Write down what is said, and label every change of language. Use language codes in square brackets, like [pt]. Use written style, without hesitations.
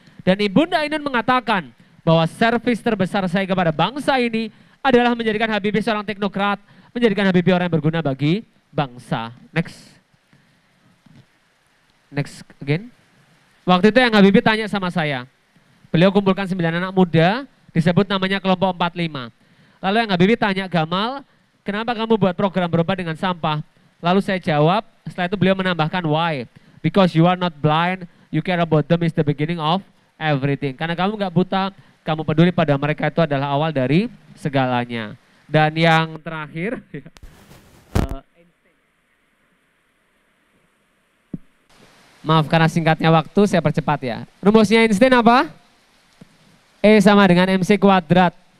[id] Dan Ibunda Ainun mengatakan bahwa servis terbesar saya kepada bangsa ini adalah menjadikan Habibie seorang teknokrat, menjadikan Habibie orang yang berguna bagi bangsa. Next. [en] Next again. [id] Waktu itu yang Habibie tanya sama saya. Beliau kumpulkan 9 anak muda, disebut namanya kelompok 45. Lalu yang Habibie tanya, "Gamal, kenapa kamu buat program berobat dengan sampah?" Lalu saya jawab, setelah itu beliau menambahkan, "Why? [en] Because you are not blind, you care about them is the beginning of everything." [id] Karena kamu gak buta, kamu peduli pada mereka itu adalah awal dari segalanya. Dan yang terakhir, maaf karena singkatnya waktu, saya percepat ya. Rumusnya Einstein apa? E sama dengan MC kuadrat.